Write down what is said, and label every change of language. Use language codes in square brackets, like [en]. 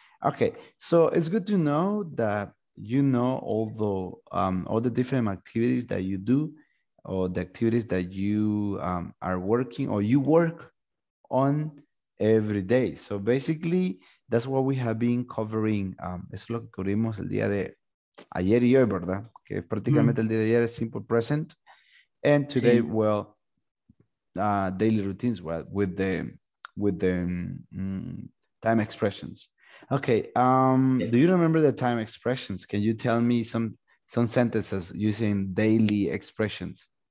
[en] Okay, so it's good to know that you know all the different activities that you do, or the activities that you are working or you work on every day. So basically, that's what we have been covering. [es] Es lo que cubrimos el día de ayer y hoy, ¿verdad? Que prácticamente el día de ayer es simple present. [en] And today, sí. Well, daily routines, well, with the time expressions. Okay. Yeah. Do you remember the time expressions? Can you tell me some sentences using daily expressions?